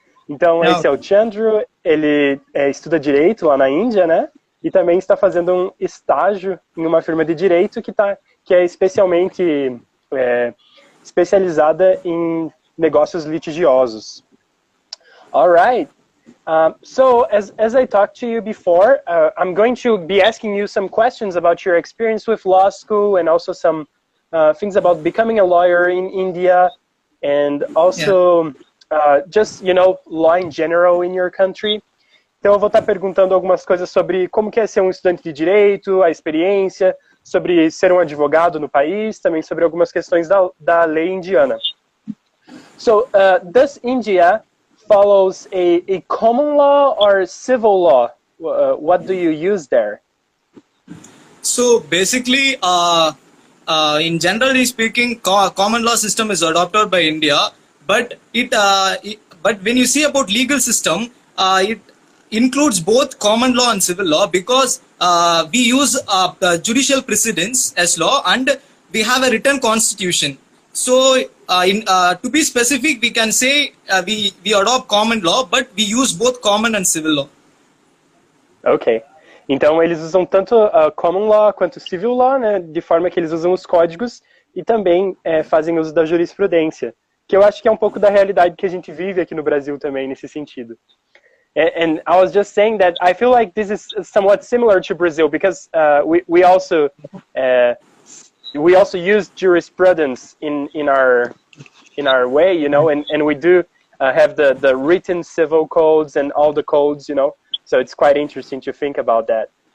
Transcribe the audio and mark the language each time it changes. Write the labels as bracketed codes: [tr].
[pt] Então, esse é o Chandru, ele estuda direito lá na Índia, né? E também está fazendo um estágio em uma firma de direito que é especialmente especializada em negócios litigiosos. [en] All right. So, as I talked to you before, I'm going to be asking you some questions about your experience with law school and also some things about becoming a lawyer in India and also... Yeah. Just, you know, law in general in your country. [pt] Então, eu vou estar perguntando algumas coisas sobre como que é ser um estudante de direito, a experiência, sobre ser um advogado no país, também sobre algumas questões da lei indiana. [en] So, does India follows a common law or civil law? What do you use there? So, basically, in generally speaking, common law system is adopted by India. But but when you see about legal system, it includes both common law and civil law because we use the judicial precedents as law and we have a written constitution. So to be specific, we can say we adopt common law, but we use both common and civil law. [pt] Okay. Então eles usam tanto common law quanto civil law, né? De forma que eles usam os códigos e também fazem uso da jurisprudência. Que eu acho que é um pouco da realidade que a gente vive aqui no Brasil também, nesse sentido. [en] And I was just saying that I feel like this is somewhat similar to Brazil, because we also use jurisprudence in our way, you know, and we do have the written civil codes and all the codes, you know, so it's quite interesting to think about that.